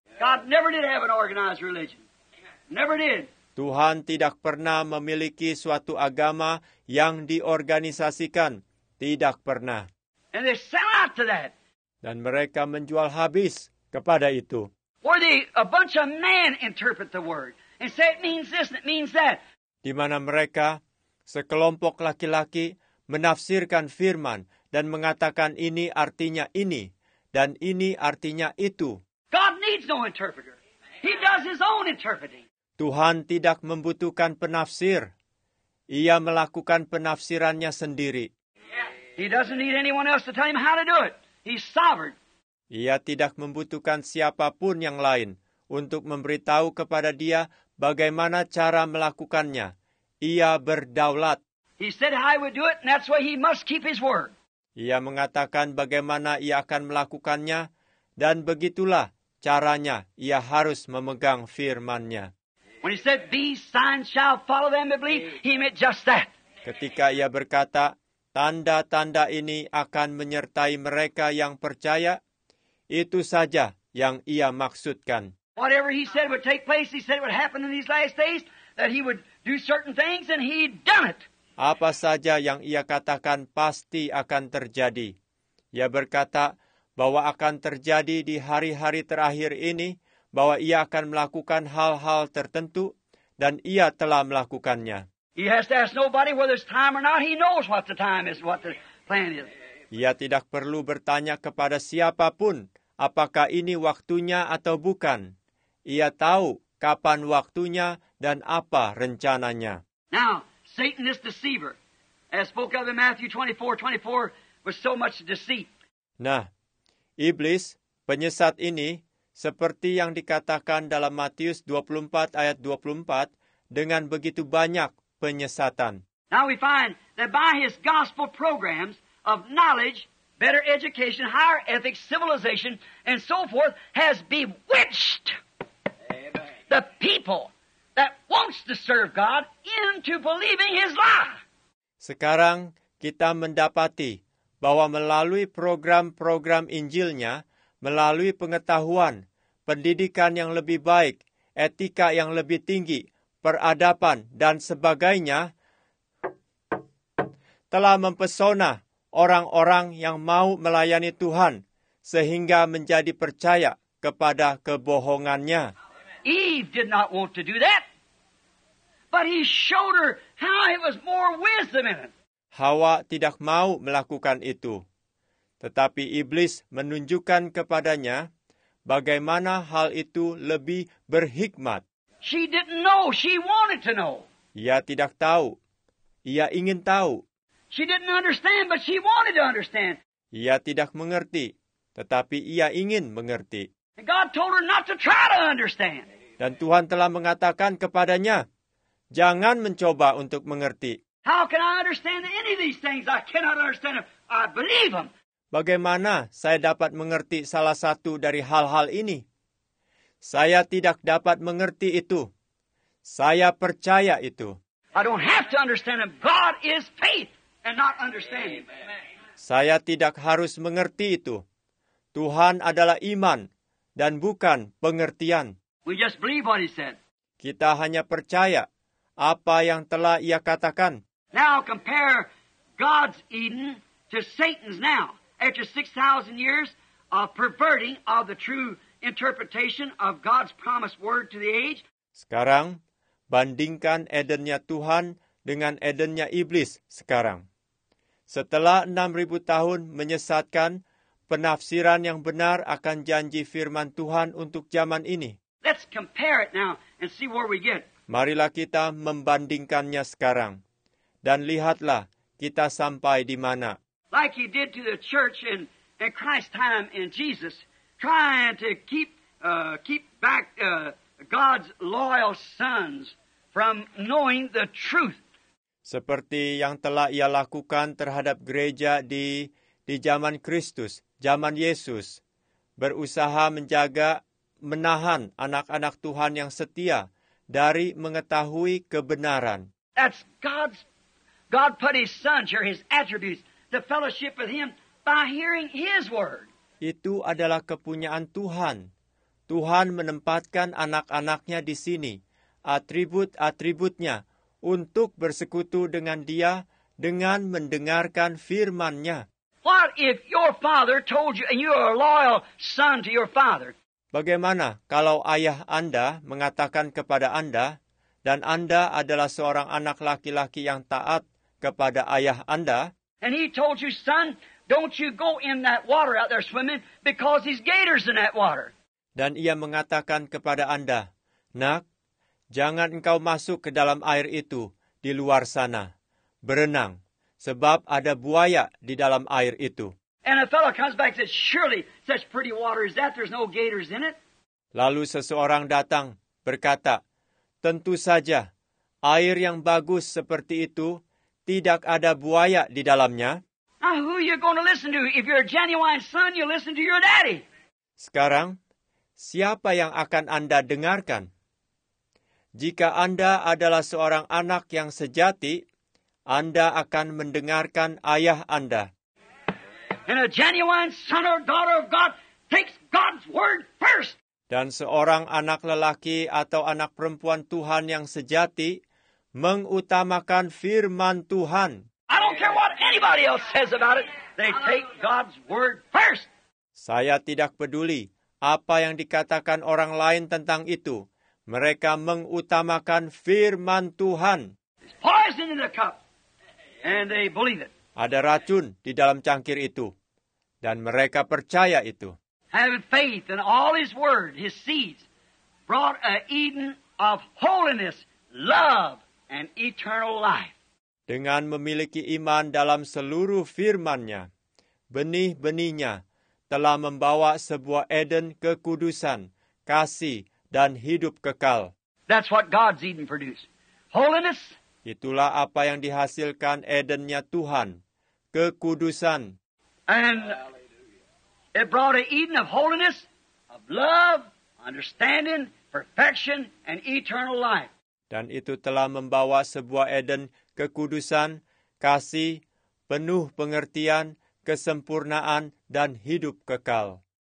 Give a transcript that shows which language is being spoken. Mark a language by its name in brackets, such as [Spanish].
[English] God never did have an organized religion. Never did. [Indonesian] Tuhan tidak pernah memiliki suatu agama yang diorganisasikan. Tidak pernah. [English] And they sell out to that. [Indonesian] Dan mereka menjual habis kepada itu. [English] Or they, a bunch of men interpret the word and say it means this and it means that. [Indonesian] Di mana mereka, sekelompok laki-laki, menafsirkan firman dan mengatakan ini artinya ini dan ini artinya itu. [English] God needs no interpreter. He does his own interpreting. [Indonesian] Tuhan tidak membutuhkan penafsir. Ia melakukan penafsirannya sendiri. [English] He doesn't need anyone else to tell him how to do it. He's sovereign. [Indonesian] Ia tidak membutuhkan siapapun yang lain untuk memberitahu kepada dia bagaimana cara melakukannya. Ia berdaulat. [English] He said how he would do it, and that's why he must keep his word. [Indonesian] Ia mengatakan bagaimana ia akan melakukannya, dan begitulah caranya ia harus memegang firman-Nya. [English] When he said, "These signs shall follow them that believe," he meant just that. [Indonesian] Ketika ia berkata, "Tanda-tanda ini akan menyertai mereka yang percaya," itu saja yang ia maksudkan. [English] Whatever he said would take place, he said it would happen in these last days, that he would do certain things, and he'd done it. [Indonesian] Apa saja yang ia katakan pasti akan terjadi. Ia berkata, bahwa akan terjadi di hari-hari terakhir ini, bahwa ia akan melakukan hal-hal tertentu, dan ia telah melakukannya. [English] He has to ask nobody whether it's time or not. He knows what the time is, what the plan is. [Indonesian] Ia tidak perlu bertanya kepada siapapun apakah ini waktunya atau bukan. Ia tahu kapan waktunya dan apa rencananya. [English] Now, Satan is deceiver. As spoke of in Matthew 24:24, with so much deceit. [Indonesian] Nah, iblis, penyesat ini, seperti yang dikatakan dalam Matius 24 ayat 24, dengan begitu banyak penyesatan. [English] Now we find that by his gospel programs of knowledge, better education, higher ethics, civilization, and so forth, has bewitched the people that wants to serve God into believing his lie. [Indonesian] Sekarang kita mendapati bahwa melalui program-program Injilnya, melalui pengetahuan, pendidikan yang lebih baik, etika yang lebih tinggi, peradaban, dan sebagainya, telah mempesona orang-orang yang mau melayani Tuhan, sehingga menjadi percaya kepada kebohongannya. [English] Eve did not want to do that, but he showed her how it was more wisdom in it. [Indonesian] Hawa tidak mau melakukan itu. Tetapi iblis menunjukkan kepadanya bagaimana hal itu lebih berhikmat. [English] She didn't know. She wanted to know. [Indonesian] Ia tidak tahu. Ia ingin tahu. [English] She didn't understand, but she wanted to understand. [Indonesian] Ia tidak mengerti, tetapi ia ingin mengerti. [English] God told her not to try to understand. [Indonesian] Dan Tuhan telah mengatakan kepadanya, jangan mencoba untuk mengerti. [English] How can I understand any of these things? I cannot understand them. I believe them. [Indonesian] Bagaimana saya dapat mengerti salah satu dari hal-hal ini? Saya tidak dapat mengerti itu. Saya percaya itu. [English] I don't have to understand them. God is faith and not understanding. Amen. [Indonesian] Saya tidak harus mengerti itu. Tuhan adalah iman dan bukan pengertian. [English] We just believe what he said. [Indonesian] Kita hanya percaya apa yang telah ia katakan. [English] Now compare God's Eden to Satan's now. After 6,000 years of perverting of the true interpretation of God's promised word to the age. [Indonesian] Sekarang, bandingkan Edennya Tuhan dengan Edennya iblis sekarang. Setelah 6,000 tahun menyesatkan penafsiran yang benar akan janji firman Tuhan untuk zaman ini. [English] Let's compare it now and see where we get. [Indonesian] Marilah kita membandingkannya sekarang. Dan lihatlah kita sampai di mana. [English] Like he did to the church in Christ's time in Jesus, trying to keep back God's loyal sons from knowing the truth. [Indonesian] Seperti yang telah ia lakukan terhadap gereja di zaman Kristus, zaman Yesus, berusaha menjaga, menahan anak-anak Tuhan yang setia dari mengetahui kebenaran. [English] That's God's. God put his sons or his attributes to fellowship with him by hearing his word. [Indonesian] Itu adalah kepunyaan Tuhan. Tuhan menempatkan anak-anaknya di sini, atribut-atributnya, untuk bersekutu dengan dia dengan mendengarkan firman-Nya. [English] What if your father told you and you are a loyal son to your father? [Indonesian] Bagaimana kalau ayah Anda mengatakan kepada Anda dan Anda adalah seorang anak laki-laki yang taat kepada ayah Anda? [English] And he told you, son, don't you go in that water out there swimming because these gators in that water. [Indonesian] Dan ia mengatakan kepada Anda, nak, jangan engkau masuk ke dalam air itu di luar sana berenang sebab ada buaya di dalam air itu. [English] And a fellow comes back and says, surely such pretty water is that, there's no gators in it. [Indonesian] Lalu seseorang datang berkata, tentu saja air yang bagus seperti itu tidak ada buaya di dalamnya. [English] Now who you going to listen to? If you're a genuine son, you listen to your daddy. [Indonesian] Sekarang, siapa yang akan Anda dengarkan? Jika Anda adalah seorang anak yang sejati, Anda akan mendengarkan ayah Anda. [English] And a genuine son or daughter of God takes God's word first. [Indonesian] Dan seorang anak lelaki atau anak perempuan Tuhan yang sejati mengutamakan firman Tuhan. [English] I don't care what anybody else says about it. They take God's word first. [Indonesian] Saya tidak peduli apa yang dikatakan orang lain tentang itu. Mereka mengutamakan firman Tuhan. [English] Poison in the cup, and they believe it. [Indonesian] Ada racun di dalam cangkir itu, dan mereka percaya itu. [English] Having faith in all his word, his seeds, brought a Eden of holiness, love, and eternal life. [Indonesian] Dengan memiliki iman dalam seluruh firman-Nya, benih-benihnya telah membawa sebuah Eden kekudusan, kasih, dan hidup kekal. [English] That's what God's Eden produced. Holiness. [Indonesian] Itulah apa yang dihasilkan Eden-Nya Tuhan, kekudusan. [English] And it brought an Eden of holiness, of love, understanding, perfection, and eternal life. [Indonesian] Dan itu telah membawa sebuah Eden kekudusan, kasih, penuh pengertian, kesempurnaan, dan hidup kekal.